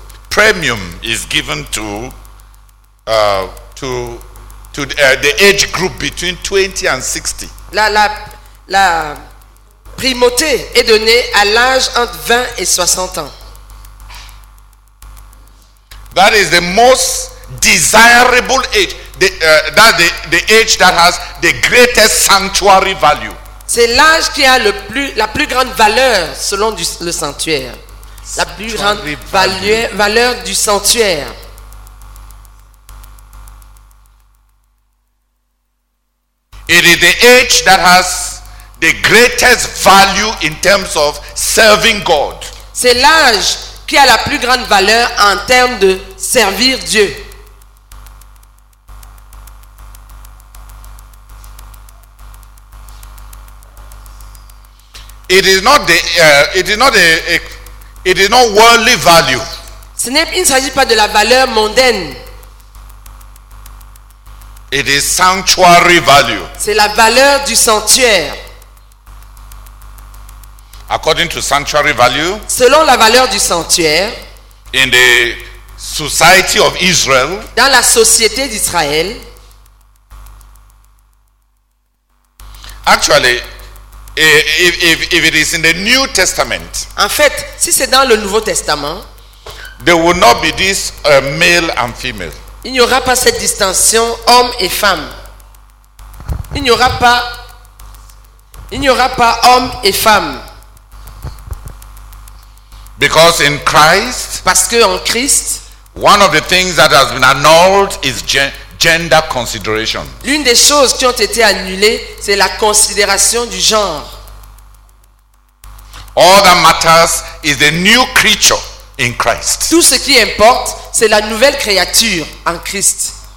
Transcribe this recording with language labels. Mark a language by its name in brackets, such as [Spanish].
[English] premium is given to the age group between 20 and 60. [French] La primauté est donnée à l'âge entre 20 et 60 ans. [English] That is the most desirable age. That's the age that has the greatest sanctuary value. [French] C'est l'âge qui a la plus grande valeur selon le sanctuaire. La plus grande valeur du sanctuaire. [English] It is the age that has the greatest value in terms of serving God. [French] C'est l'âge qui a la plus grande valeur en termes de servir Dieu. [English] It is not worldly value. [French] Il ne s'agit pas de la valeur mondaine. [English] It is sanctuary value. [French] C'est la valeur du sanctuaire. [English] According to sanctuary value, [French] selon la valeur du sanctuaire, [English] in the society of Israel, [French] dans la société d'Israël, [English] actually, if it is in the New Testament, [French] en fait, si c'est dans le Nouveau Testament, [English] there will not be this male and female. [French] Il n'y aura pas cette distinction homme et femme. Il n'y aura pas homme et femme. [English] Because in Christ, [French] parce que en Christ, [English] one of the things that has been annulled is gender consideration. [French] L'une des choses qui ont été annulées, c'est la considération du genre. [English] All that matters is the new creature in Christ. [French] Tout ce qui importe, c'est la nouvelle créature en Christ.